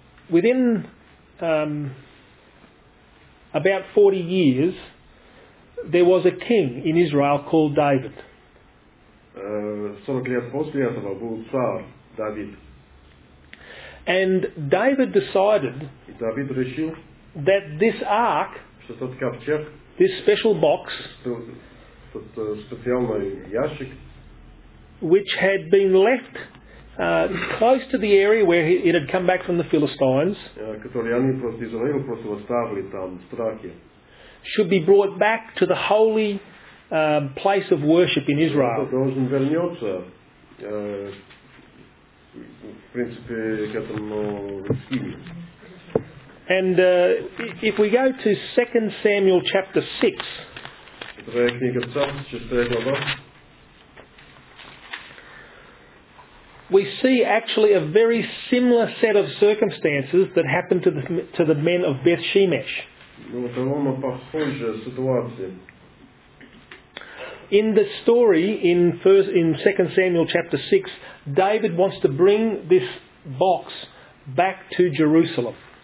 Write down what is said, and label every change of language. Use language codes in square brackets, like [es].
[en] Within about 40 years, there was a king in Israel called David. [ru] 40 лет после этого был цар Давид. [en] And David decided [ru] David решил, [en] that this ark, [ru] что тот ковчег, [en] this special box, [ru] тот специальный ящик, [en] which had been left close to the area where it had come back from the Philistines, [ru] который они просто из Израиля просто оставили там в страхе, [en] should be brought back to the holy place of worship in Israel. [ru] Должен вернуться, в принципе, к этому скинию. [en] And if we go to 2 Samuel chapter 6, [ru] вторая книга Царств, 6 глава, [en] we see actually a very similar set of circumstances that happened to the men of Beth Shemesh. In the story in 2 Samuel chapter 6, David wants to bring this box back to Jerusalem.